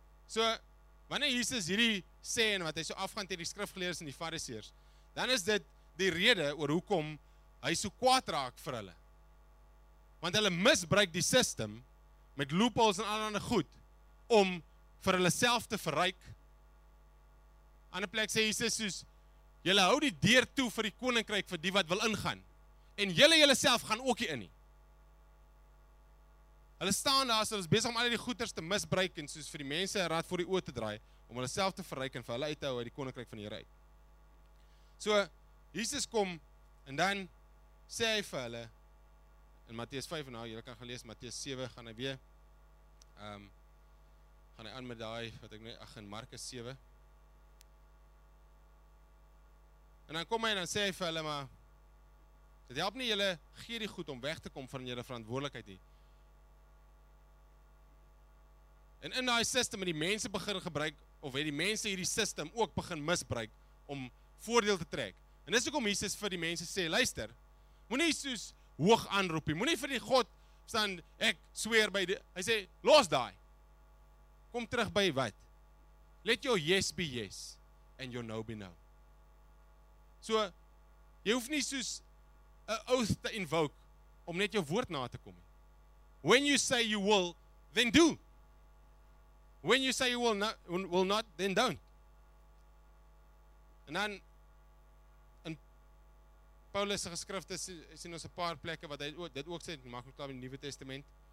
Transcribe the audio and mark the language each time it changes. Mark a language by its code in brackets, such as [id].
[af] So, wanneer Jesus hierdie sê en wat hy so afgaan teen die skrifgeleerders en die fariseërs, dan is dit die rede oor hoekom hy so kwaad raak vir hulle. Want hulle misbruik die system met loopholes en allerhande goed om vir hulle self te verryk. Ander plek sê Jesus soos, "Julle hou die deur toe vir die koninkryk vir die wat wil ingaan. En julle self gaan ook hier in nie." Hulle staan daar, so hulle is besig om al die goeders te misbruik en soos vir die mense raad voor die oë te draai, om hulle self te verryk en vir hulle uit te hou uit die koninkryk van die Here uit. So, Jesus kom, en dan sê hy vir hulle, in Matteus 5, nou, julle kan gaan lees, Matteus 7, gaan hy weer, gaan hy aan met daai, wat ek nie, ag, in Markus 7. En dan kom hy en dan sê hy vir hulle, maar, dit help nie julle, gee die goed om weg te kom van julle verantwoordelikheid nie. En in die system het die mense begin gebruik, of het die mense hierdie system ook begin misbruik, om voordeel te trek. En dis hoekom Jesus vir die mense sê, luister, moenie soos hoog aanroepie, moenie vir die God staan, ek sweer by die, hy sê, los daai. Kom terug by wat? [en] Let your yes be yes, and your no be no. [af] So, jy hoef nie soos a oath te invoke, om net jou woord na te kom. [en] When you say you will, then do. When you say you will not, then don't. [af] En dan, in Paulus' geskrifte, sien ons 'n paar plekke, wat hy dit ook sê, maak ook klaar in die Nuwe Testament.